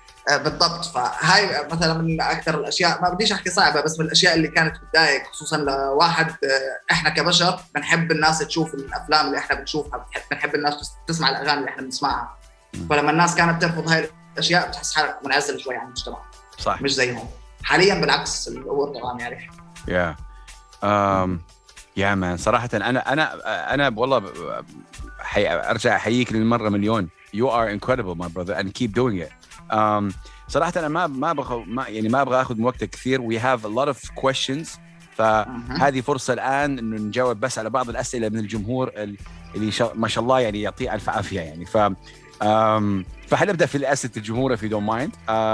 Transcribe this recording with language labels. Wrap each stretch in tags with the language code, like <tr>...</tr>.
<ar>بالضبط. فهاي مثلا من اكثر الاشياء، ما بديش احكي صعبه، بس من الاشياء اللي كانت بتضايق، خصوصا لواحد احنا كبشر بنحب الناس تشوف الافلام اللي احنا بنشوفها، بنحب الناس تسمع الاغاني اللي احنا بنسمعها. فلما الناس كانت ترفض هاي الاشياء بتحس حالك منعزل شوي عن المجتمع، صح؟ مش زيهم حاليا، بالعكس الامور تمام يعني. يا مان، صراحة أنا والله أرجع أحييك للمرة مليون.</ar> <en>You are incredible my brother and keep doing it.</en> <ar>صراحة أنا ما أبغى أخذ وقتك كثير.</ar> <en>We have a lot of questions.</en> <ar>فهذه فرصة الآن إنه نجاوب بس على بعض الأسئلة من الجمهور اللي ما شاء الله يعني يعطي ألف عافية يعني. فحنبدأ في الأسئلة الجمهور</ar> <en>if you don't mind.</en>